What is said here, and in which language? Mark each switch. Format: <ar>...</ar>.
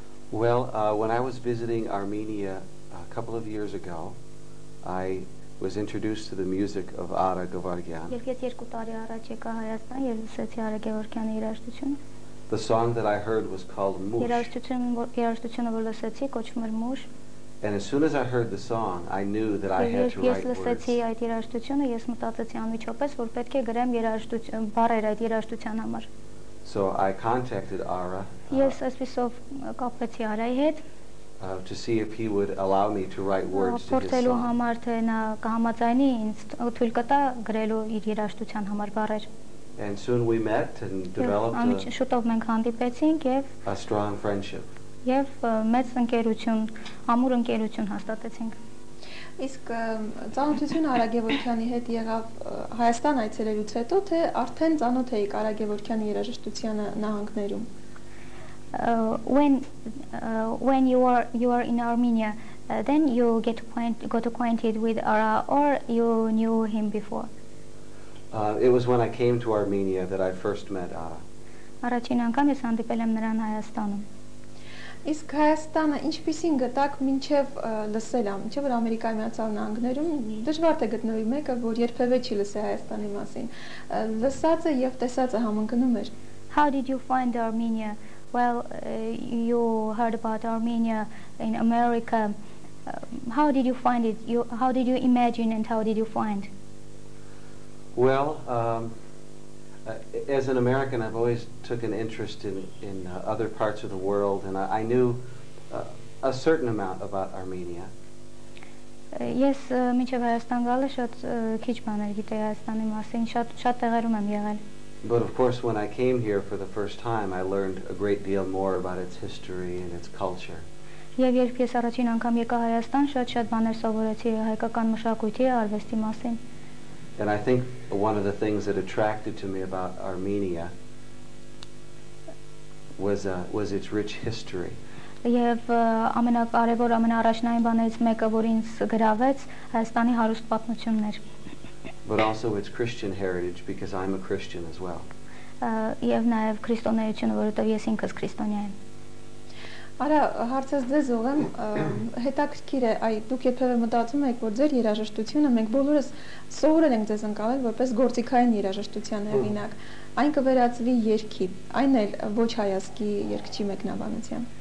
<en>Well, when I was visiting Armenia a couple of years ago, I was introduced to the music of Ara Gevorgyan.</en> <hy>Երբ ես 2 տարի առաջ եկա Հայաստան, ես լսեցի Ara Gevorgyan-ի երաժշտությունը։</hy> <en>The song that I heard was called MUSH.</en> <hy>Երաժշտությունը, որ լսեցի, կոչվում էր MUSH.</hy> <en>And as soon as I heard the song, I knew that I had to write words.</en> <hy>Ես մտածեցի անմիջապես, որ պետք է գրեմ երաժշտություն, բառեր այդ երաժշտության համար։</hy> <en>So I contacted Ara.</en> <hy>Ես այսպեսով կապվեցի Արայի հետ.</hy> <en>To see if he would allow me to write words to his song.</en> <hy>Փորձելու համար, թե նա կհամաձայնի ինձ թույլ տա գրելու իր երաժշտության համար բառեր։</hy> <en>And soon we met and developed</en> <hy>Շուտով մենք հանդիպեցինք եւ</hy> <en>a strong friendship.</en> <hy>Եվ մեծ ընկերություն, ամուր ընկերություն հաստատեցինք։ Իսկ ծանոթություն Ara Gevorgyan-ի հետ եղավ Հայաստան այցելելուց հետո, թե արդեն ծանոթ էիք Ara Gevorgyan-ի երաժշտությանը նահանգներում։</hy> <en>When you are in Armenia, then you got acquainted with Ara, or you knew him before? It was when I came to Armenia that I first met Ara.</en> <hy>Առաջին անգամ ես հանդիպել եմ նրան Հայաստանում։ Իսկ Հայաստանը ինչպիսին գտակ մինչև լսել ա, մինչև որ Ամերիկայի Միացյալ Նահանգներում, դժվար թե գտնվի մեկը, որ երբևէ չի լսել Հայաստանի մասին, լսածը և տեսածը համընկնում էր։</hy> <en>How did you find Armenia? Well, you heard about Armenia in America. How did you find it? How did you imagine and how did you find? Well, as an American, I've always took an interest in other parts of the world, and I knew a certain amount about Armenia.</en> <hy>Ես մինչև Հայաստան գալը շատ քիչ բաներ գիտեի Հայաստանի մասին, շատ տեղերում եմ եղել։</hy> <en>But of course, when I came here for the first time, I learned a great deal more about its history and its culture.</en> <hy>Եվ երբ ես առաջին անգամ եկա Հայաստան, շատ բաներ սովորեցի հայկական մշակույթի, արվեստի մասին։</hy> <en>And I think one of the things that attracted to me about Armenia was its rich history.</en> <hy>Եվ ամենակարևոր, ամենաառաջնային բաներից մեկը, որ ինձ գրավեց, Հայաստանի հարուստ պատմությունն էր։</hy> <en>But also its Christian heritage, because I'm a Christian as well.</en> <hy>Եվ նաև քրիստոնեությունը, որովհետև ես ինքս քրիստոնյա եմ։ Արա, հարցս ձեզ ուղեմ, հետաքրքիր է, այ դուք երբևէ մտածում եք, որ ձեր երաժշտությունը, մենք բոլորս սովորել ենք ձեզ ընկալել որպես գործիքային երաժշտության հեղինակ, այն կվերածվի երգի, այն էլ ոչ հայացքի երգչի մեկնաբանության։</hy>